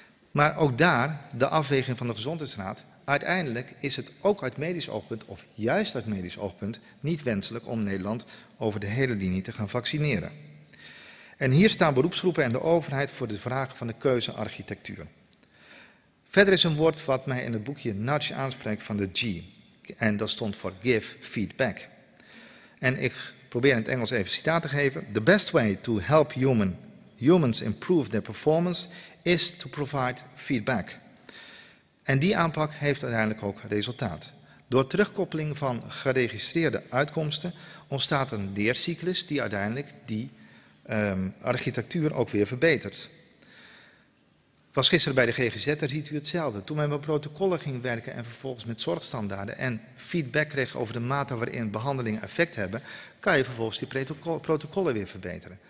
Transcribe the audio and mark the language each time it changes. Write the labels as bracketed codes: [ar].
[nl] Maar ook daar, de afweging van de Gezondheidsraad, uiteindelijk is het ook uit medisch oogpunt, of juist uit medisch oogpunt, niet wenselijk om Nederland over de hele linie te gaan vaccineren. En hier staan beroepsgroepen en de overheid voor de vraag van de keuzearchitectuur. Verder is een woord wat mij in het boekje Nudge aanspreekt van de G. En dat stond voor [en] give feedback. [nl] En ik probeer in het Engels even citaat te geven. [en] The best way to help humans improve their performance is to provide feedback. [nl] En die aanpak heeft uiteindelijk ook resultaat. Door terugkoppeling van geregistreerde uitkomsten ontstaat een leercyclus die uiteindelijk die architectuur ook weer verbetert. Was gisteren bij de GGZ, daar ziet u hetzelfde. Toen men met protocollen ging werken en vervolgens met zorgstandaarden en feedback kreeg over de mate waarin behandelingen effect hebben, kan je vervolgens die protocollen weer verbeteren.